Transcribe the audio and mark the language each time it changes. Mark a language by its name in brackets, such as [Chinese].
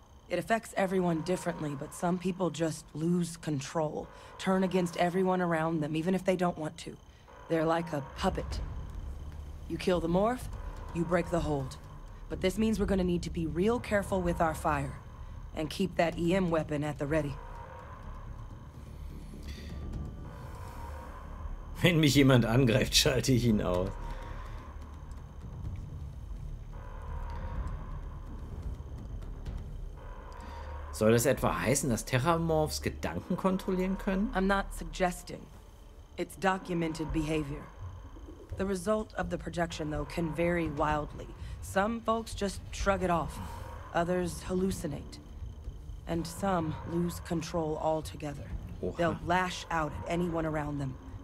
[English] It affects everyone differently, but some people just lose control, turn against everyone around them, even if they don't want to. They're like a puppet. You kill the morph, you break the hold. But this means we're gonna need to be real careful with our fire and keep that EM weapon at the ready. [German] Wenn mich jemand angreift, schalte ich ihn aus. Soll das etwa heißen, dass Terramorphs Gedanken kontrollieren können? [English] I'm not suggesting. It's documented behavior. The result of the projection, though, can vary wildly. Some folks just shrug it off. Others hallucinate. And some lose control altogether. Oha. They'll lash out at anyone around them.